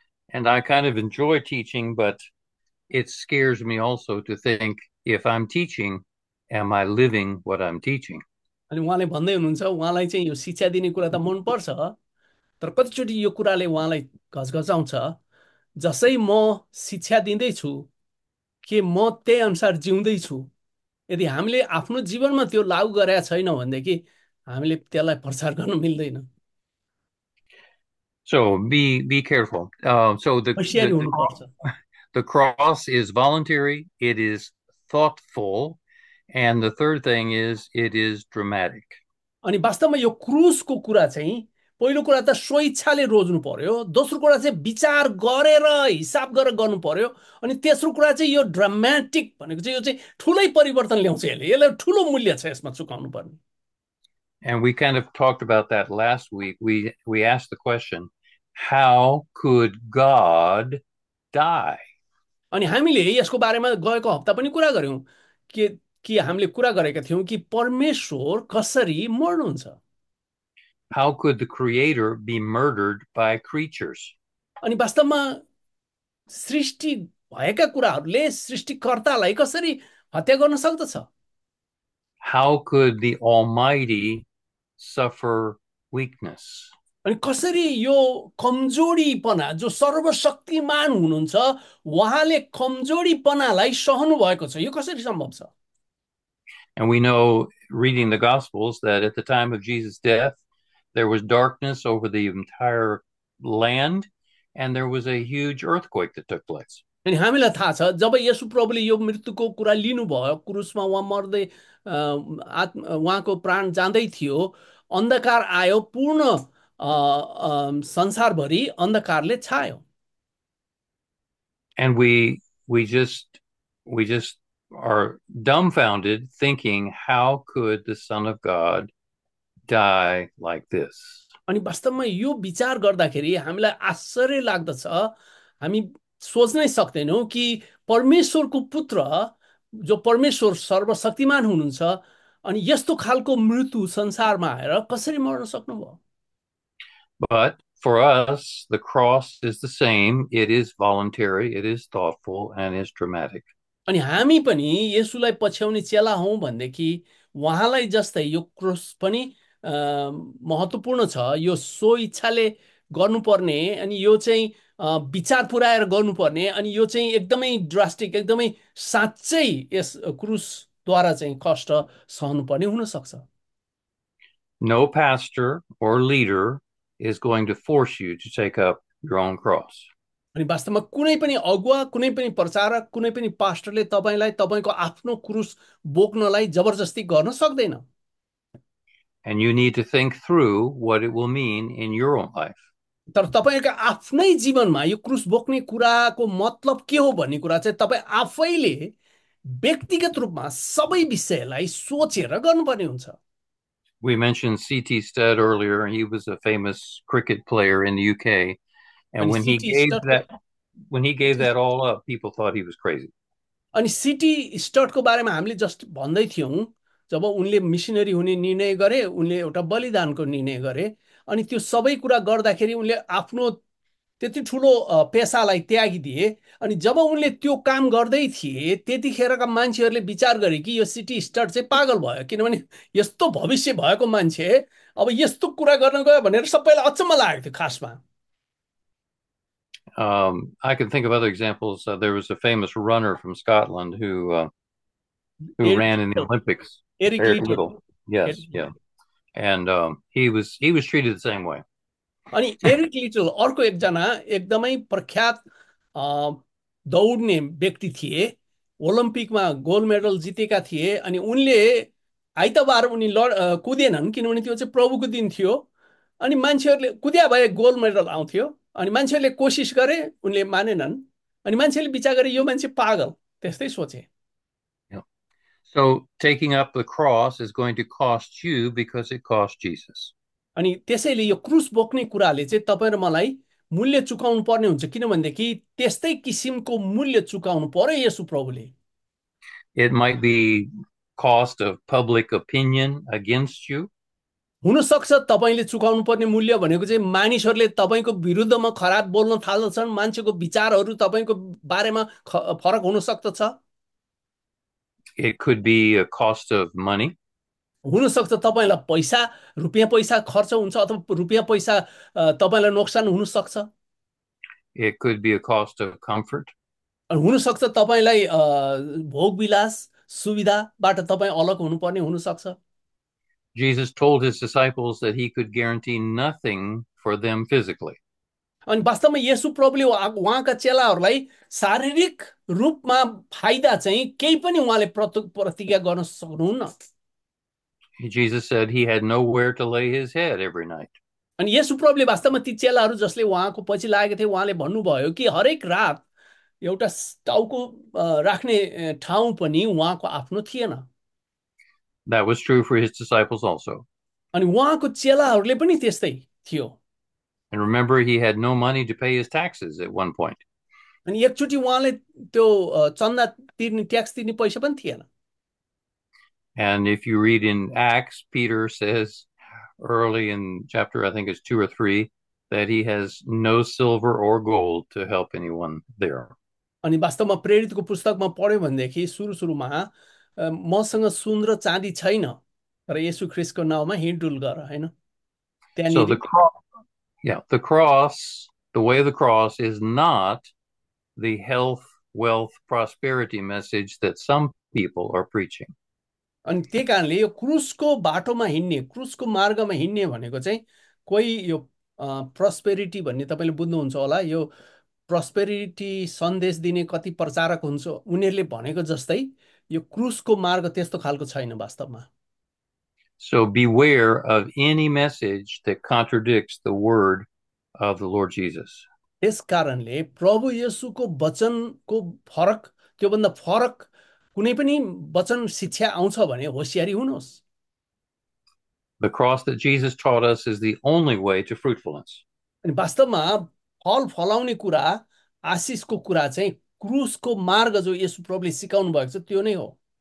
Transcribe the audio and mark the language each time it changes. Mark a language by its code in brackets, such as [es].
[en] And I kind of enjoy teaching, but it scares me also to think, if I'm teaching, am I living what I'm teaching? [ne] अनि उहाँले भन्दै हुनुहुन्छ उहाँलाई चाहिँ यो शिक्षा दिने कुरा त मनपर्छ, तर कतिचोटि यो कुराले उहाँलाई घसघचाउँछ, जसै म शिक्षा दिँदैछु के म त्यही अनुसार जिउँदैछु, यदि हामीले आफ्नो जीवनमा त्यो लागू गरेका छैन भनेदेखि हामीले त्यसलाई प्रचार गर्न मिल्दैन, [en] So be careful. So [ne] होसियारी हुनुपर्छ। [en] the cross is voluntary, it is thoughtful, and the third thing is it is dramatic. [ne] अनि वास्तवमा यो क्रुसको कुरा चाहिँ पहिलो कुरा त स्वइच्छाले रोज्नु पर्यो, दोस्रो कुरा चाहिँ विचार गरेर हिसाब गरेर गर्नु पर्यो, अनि तेस्रो कुरा चाहिँ यो ड्रामेटिक भनेको चाहिँ यो चाहिँ ठुलै परिवर्तन ल्याउँछ, यसलाई ठुलो मूल्य छ यसमा चुकाउनु पर्ने। [en] And we kind of talked about that last week. We asked the question, how could God die? [ne] अनि हामीले यसको बारेमा गएको हप्ता पनि कुरा गऱ्यौँ कि हामीले कुरा गरेका थियौँ कि परमेश्वर कसरी मर्नुहुन्छ, [en] How could the creator be murdered by creatures? [ne] अनि वास्तवमा सृष्टि भएका कुराहरूले सृष्टिकर्तालाई कसरी हत्या गर्न सक्दछ, [en] How could the Almighty suffer weakness? [ne] अनि कसरी यो कमजोरीपना जो सर्वशक्तिमान हुनुहुन्छ उहाँले कमजोरीपनालाई सहनु भएको छ, यो कसरी सम्भव छ? [en] And we know, reading the Gospels, that at the time of Jesus' death, there was darkness over the entire land, and there was a huge earthquake that took place. [ne] अनि हामीलाई थाहा छ जब येशु प्रभुले यो मृत्युको कुरा लिनुभयो क्रुसमा, उहाँ मर्दै उहाँको प्राण जाँदै थियो, अन्धकार आयो, पूर्ण संसारभरि अन्धकारले छायो। [en] And we just are dumbfounded thinking, how could the Son of God die like this? [ne] अनि वास्तवमा यो विचार गर्दाखेरि हामीलाई आश्चर्य लाग्दछ, हामी सोच्नै सक्दैनौँ कि परमेश्वरको पुत्र जो परमेश्वर सर्वशक्तिमान हुनुहुन्छ अनि यस्तो खालको मृत्यु संसारमा आएर कसरी मर्न सक्नुभयो। [en] But for us, the cross is the same. It is voluntary, it is thoughtful, and it is dramatic. [ne] अनि हामी पनि येशूलाई पछ्याउने चेला हौँ भनेदेखि उहाँलाई जस्तै यो क्रुस पनि महत्त्वपूर्ण छ, यो सो इच्छाले गर्नुपर्ने अनि यो चाहिँ विचार पुऱ्याएर गर्नुपर्ने अनि यो चाहिँ एकदमै ड्रास्टिक एकदमै साँच्चै यस क्रुसद्वारा चाहिँ कष्ट सहनुपर्ने हुनसक्छ। [en] No pastor or leader is going to force you to take up your own cross. [ne] अनि वास्तवमा कुनै पनि अगुवा कुनै पनि प्रचारक कुनै पनि पास्टरले तपाईँलाई तपाईँको आफ्नो क्रुस बोक्नलाई जबरजस्ती गर्न सक्दैन। [en] And you need to think through what it will mean in your own life. [ne] तर तपाईँको आफ्नै जीवनमा यो क्रुस बोक्ने कुराको मतलब के हो भन्ने कुरा चाहिँ तपाईँ आफैले व्यक्तिगत रूपमा सबै विषयलाई सोचेर गर्नुपर्ने हुन्छ। [en] We mentioned C.T. Studd earlier, and he was a famous cricket player in the UK. And [ne] अनि city स्टडको [en] when he gave that all up, people thought he was crazy. [ne] अनि सिटी स्टडको बारेमा हामीले जस्ट भन्दै थियौँ जब उनले मिसिनरी हुने निर्णय गरे, उनले एउटा बलिदानको निर्णय गरे, अनि त्यो सबै कुरा गर्दाखेरि उनले आफ्नो त्यति ठुलो पेसालाई त्यागिदिए। अनि जब उनले त्यो काम गर्दै थिए त्यतिखेरका मान्छेहरूले विचार गरे कि यो सिटी स्टेट चाहिँ पागल भयो, किनभने यस्तो भविष्य भएको मान्छे अब यस्तो कुरा गर्न गयो भनेर सबैलाई अचम्म लागेको थियो खासमा। [en] I can think of other examples. There was a famous runner from Scotland who ran in the Olympics, Eric Eric Little. Little. Yes, yeah. And he was treated the same way. [ne] अनि Eric little अर्को एकजना एकदमै प्रख्यात दौड्ने व्यक्ति थिए, ओलम्पिकमा gold medal जितेका थिए। अनि उनले आइतबार उनी लड कुदेनन् किनभने त्यो चाहिँ प्रभुको दिन थियो। अनि मान्छेहरूले कुद्या भए गोल्ड मेडल आउँथ्यो, अनि मान्छेहरूले कोसिस गरे उनले मानेनन्, अनि मान्छेले विचार गरे यो मान्छे पागल त्यस्तै सोचे। [en] So taking up the cross is going to cost you because it cost Jesus. [ne] अनि त्यसैले यो क्रुस बोक्ने कुराले चाहिँ तपाईँ र मलाई मूल्य चुकाउनु पर्ने हुन्छ, किनभनेदेखि त्यस्तै किसिमको मूल्य चुकाउनु पर्यो Yeshu प्रभुले। [en] It might be cost of public opinion against you. [ne] हुनसक्छ तपाईँले चुकाउनु पर्ने मूल्य भनेको चाहिँ मानिसहरूले तपाईँको विरुद्धमा खराब बोल्न थाल्दछन्, मान्छेको विचारहरू तपाईँको बारेमा फरक हुन सक्दछ। [en] It could be a cost of money. [ne] हुनसक्छ तपाईँलाई पैसा रुपियाँ पैसा खर्च हुन्छ अथवा रुपियाँ पैसा तपाईँलाई नोक्सान हुनसक्छ। [en] It could be a cost of comfort. [ne] हुनसक्छ तपाईँलाई भोगविलास सुविधाबाट तपाईँ अलग हुनुपर्ने हुनसक्छ। [en] Jesus told his disciples that he could guarantee nothing for them physically. [ne] अनि वास्तवमा येशु प्रभुले उहाँका चेलाहरूलाई शारीरिक रूपमा फाइदा चाहिँ केही पनि उहाँले प्रतिज्ञा गर्न सक्नुहुन्न। [en] Jesus said he had nowhere to lay his head every night. [ne] अनि येशु प्रभुले वास्तवमा ती चेलाहरू जसले उहाँको पछि लागेको थिए उहाँले भन्नुभयो कि हरेक रात एउटा टाउको राख्ने ठाउँ पनि उहाँको आफ्नो थिएन। [en] That was true for his disciples also. [ne] अनि उहाँको चेलाहरूले पनि त्यस्तै थियो। [en] And remember, he had no money to pay his taxes at one point. [ne] अनि एकचोटि उहाँले त्यो चन्दा तिर्ने ट्याक्स तिर्ने पैसा पनि थिएन। [en] And if you read in Acts, Peter says early in chapter, I think it's 2 or 3, that he has no silver or gold to help anyone there. [ne] अनि वास्तवमा प्रेरितको पुस्तकमा पढ्यो भनेदेखि सुरु सुरुमा मसँग सुन र चाँदी छैन र येशु ख्रिस्टको नाउँमा हिँडडुल गर होइन [en] So [ne] त्यहाँनिर। [en] the way of the cross is not the health, wealth, prosperity message that some people are preaching. [ne] अनि त्यही कारणले यो क्रुसको बाटोमा हिँड्ने क्रुसको मार्गमा हिँड्ने भनेको चाहिँ कोही यो प्रस्पेरिटी भन्ने तपाईँले बुझ्नुहुन्छ होला, यो प्रस्पेरिटी सन्देश दिने कति प्रचारक हुन्छ उनीहरूले भनेको जस्तै यो क्रुसको मार्ग त्यस्तो खालको छैन वास्तवमा। [en] So beware of any message that contradicts the word of the Lord Jesus. [ne] यस कारणले प्रभु येशूको वचनको फरक त्योभन्दा फरक कुनै पनि वचन शिक्षा आउँछ भने होसियारी हुनुहोस्। [en] The cross that Jesus taught us is the only way to fruitfulness. [ne] अनि वास्तवमा फल फलाउने कुरा आशिषको कुरा चाहिँ क्रुसको मार्ग जो येशु प्रभुले सिकाउनु भएको छ त्यो नै हो।